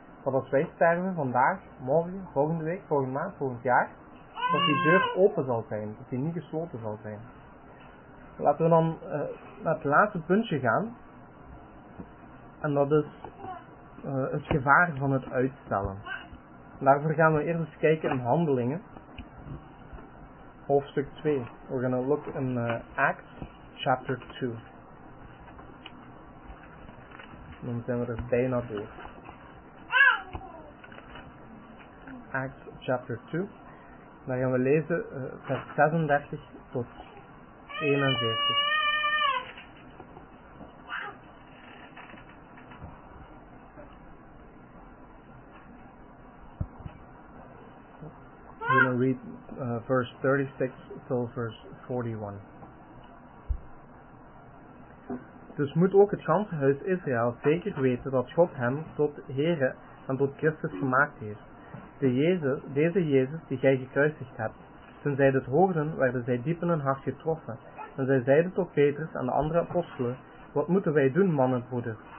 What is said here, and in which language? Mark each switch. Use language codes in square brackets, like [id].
[nl] dat als wij sterven vandaag, morgen, volgende week, volgende maand, volgend jaar, dat die deur open zal zijn, dat die niet gesloten zal zijn. Laten we dan naar het laatste puntje gaan. En dat is het gevaar van het uitstellen. Daarvoor gaan we eerst eens kijken in Handelingen. Hoofdstuk 2. [en] We're going to look in Acts chapter 2. [nl] Dan zijn we er bijna door. [en] Acts chapter 2. [nl] Daar gaan we lezen vers 36 tot 41. [en] We're going to read verse 36 till verse 41. [nl] Dus moet ook het ganse huis Israël zeker weten dat God hem tot Here en tot Christus gemaakt heeft. Deze Jezus die gij gekruisigd hebt. Toen zij dit hoorden, werden zij diep in hun hart getroffen. En zij zeiden tot Petrus en de andere apostelen, wat moeten wij doen, mannenbroeder?